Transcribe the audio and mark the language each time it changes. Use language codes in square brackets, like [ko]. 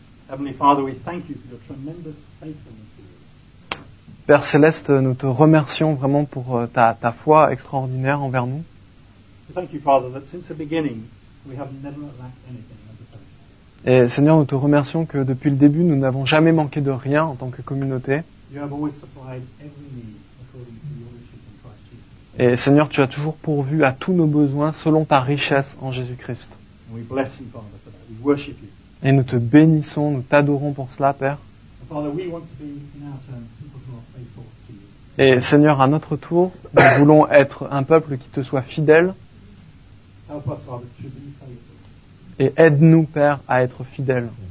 [en] Heavenly Father, we thank you for your tremendous faithfulness. [fr] Père Céleste, nous te remercions vraiment pour ta foi extraordinaire envers nous. [en] Thank you, Father, that since the beginning we have never lacked anything as a church. [fr] Et Seigneur, nous te remercions que depuis le début nous n'avons jamais manqué de rien en tant que communauté. [en] You have always supplied every need according to your riches in Christ Jesus. [fr] Et Seigneur, tu as toujours pourvu à tous nos besoins selon ta richesse en Jésus-Christ. [en] And we bless you, Father, for that. We worship you. [fr] Et nous te bénissons, nous t'adorons pour cela, Père. Et Seigneur, à notre tour, nous voulons être un peuple qui te soit fidèle. Et aide-nous, Père, à être fidèles.